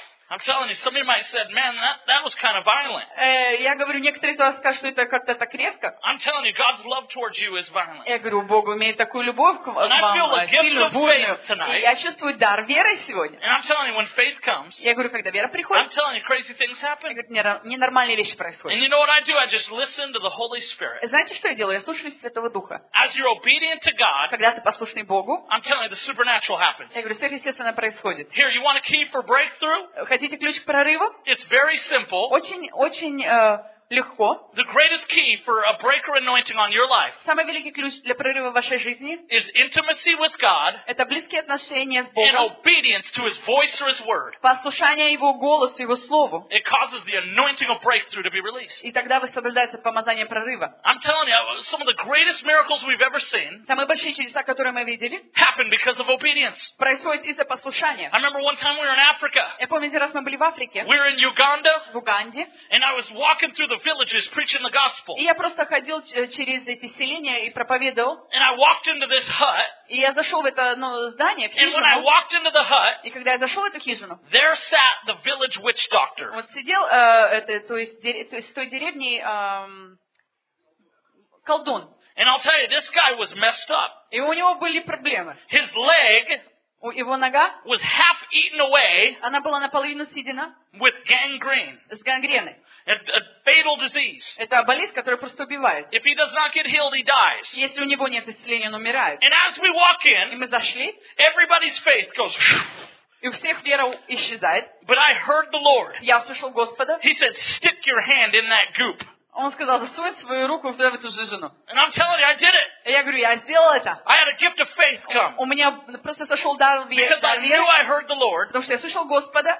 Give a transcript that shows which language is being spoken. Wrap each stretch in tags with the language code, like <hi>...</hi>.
<en>I'm telling you, some of you might have said, man, that was kind of violent.</en> <ru>Я говорю, некоторые из вас скажут, что это как-то так резко.</ru> <en>I'm telling you, God's love towards you is violent.</en> <ru>Я говорю, Бог имеет такую любовь к вам, сильную, бурную.</ru> <en>And I feel a gift of faith tonight.</en> <ru>Я чувствую дар веры сегодня.</ru> <en>And I'm telling you, when faith comes,</en> <ru>я говорю, когда вера приходит,</ru> <en>I'm telling you, crazy things happen.</en> <ru>Я говорю, ненормальные вещи происходят.</ru> <en>And you know what I do? I just listen to the Holy Spirit.</en> <ru>Знаете, что я делаю? Я слушаю Святого Духа.</ru> <en>As you're obedient to God,</en> <ru>когда ты послушный Богу,</ru> <en>I'm telling you, the supernatural happens.</en> <ru>Я говорю, сверхъестественное происходит.</ru> <en>Here, you want a key for breakthrough?</en> <ru>Хотите ключ к прорыву?</ru> <en>It's very simple.</en> <ru>Очень легко.</ru> <en>The greatest key for a breaker anointing on your life.</en> <ru>Самый великий ключ для прорыва в вашей жизни.</ru> <en>Is intimacy with God.</en> <ru>Это близкие отношения с Богом.</ru> <en>And obedience to His voice or His word.</en> <ru>Послушание Его голосу, Его слову.</ru> <en>It causes the anointing of breakthrough to be released.</en> <ru>И тогда высвобождается помазание прорыва.</ru> <en>I'm telling you, some of the greatest miracles we've ever seen.</en> <ru>Самые большие чудеса, которые мы видели.</ru> <en>Happen because of obedience.</en> <ru>Происходит из-за послушания.</ru> <en>I remember one time we were in Africa.</en> <ru>Я помню, один раз мы были в Африке.</ru> <en>We were in Uganda.</en> <ru>В Уганде.</ru> <en>And I was walking through the villages preaching the gospel.</en> <ru>И я просто ходил через эти селения и проповедовал.</ru> <en>And I walked into this hut.</en> <ru>И я зашел в это здание, в хижину.</ru> <en>And when I walked into the hut,</en> <ru>и когда я зашел в эту хижину,</ru> <en>there sat the village witch doctor.</en> <ru>Вот сидел то есть в той деревне колдун.</ru> <en>And I'll tell you, this guy was messed up.</en> <ru>И у него были проблемы.</ru> <en>His leg,</en> <ru>его нога,</ru> <en>was half eaten away.</en> <ru>Она была наполовину съедена.</ru> <en>With gangrene.</en> <ru>С гангреной.</ru> <en>A fatal disease.</en> <ru>Это болезнь, которая просто убивает.</ru> <en>If he does not get healed, he dies.</en> <ru>Если у него нет исцеления, он умирает.</ru> <en>And as we walk in,</en> <ru>и мы зашли,</ru> <en>everybody's faith goes.</en> <ru>И у всех вера исчезает.</ru> <en>But I heard the Lord.</en> <ru>Я услышал Господа.</ru> <en>He said, "Stick your hand in that goop."</en> <ru>Он сказал, засунь свою руку в эту жижину.</ru> <en>And I'm telling you, I did it.</en> <ru>И я говорю, я сделал это.</ru> <en>I had a gift of faith come.</en> <ru>У меня просто сошел дар веры.</ru> <en>Because I knew I heard the Lord.</en> <ru>Потому что я слышал Господа.</ru>